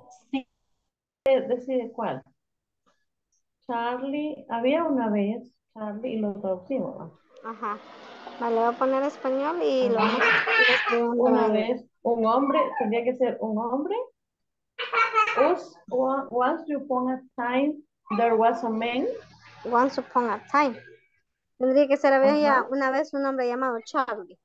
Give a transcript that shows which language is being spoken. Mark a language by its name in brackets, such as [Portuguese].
[Spanish] Sí. ¿Decide cuál? Charlie, había una vez Charlie y lo traducimos. Ajá. Vale, voy a poner español y lo vamos a escribir. Una vez, un hombre, tendría que ser un hombre. [English] Once upon a time, there was a man. Once upon a time. [Spanish] Tendría que ser había una vez un hombre llamado Charlie.